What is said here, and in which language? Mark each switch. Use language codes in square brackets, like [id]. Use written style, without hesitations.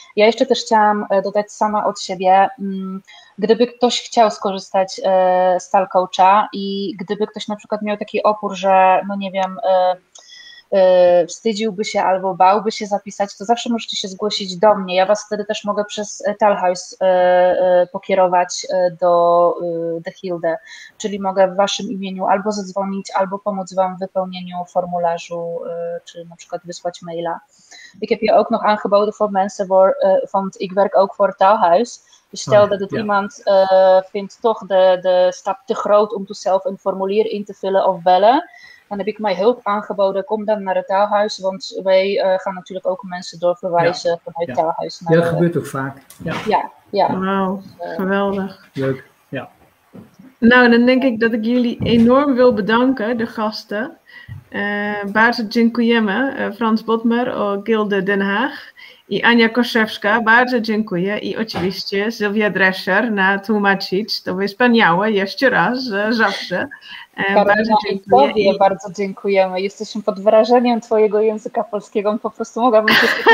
[pl] Ja jeszcze też chciałam dodać sama od siebie, gdyby ktoś chciał skorzystać z talk coacha i gdyby ktoś na przykład miał taki opór, że no nie wiem, wstydziłby się albo bałby się zapisać, to zawsze możecie się zgłosić do mnie. Ja was wtedy też mogę przez Talhouse pokierować do The Hilde, czyli mogę w waszym imieniu albo zadzwonić, albo pomóc wam w wypełnieniu formularzu, czy na przykład wysłać maila. [nl] Ik heb je ook nog aangeboden voor mensen van ik werk ook voor Talhouse. Dus stel dat het iemand vindt toch de stap te groot om zelf een formulier in te vullen of bellen. Dan heb ik mij hulp aangeboden, kom dan naar het taalhuis, want wij gaan natuurlijk ook mensen doorverwijzen vanuit het taalhuis. Ja, dat gebeurt ook vaak. Ja. Wauw, geweldig. Leuk, ja. Nou, dan denk ik dat ik jullie enorm wil bedanken, de gasten. [pl] Bardzo dziękujemy, Frans Bodmer o Gilde Den Haag i Ania Koszewska, bardzo dziękuję i oczywiście Sylwia Drescher na tłumaczyć, to wspaniałe jeszcze raz, zawsze. Bardzo dziękuję. Bardzo dziękujemy, jesteśmy pod wrażeniem twojego języka polskiego, po prostu mogłabym się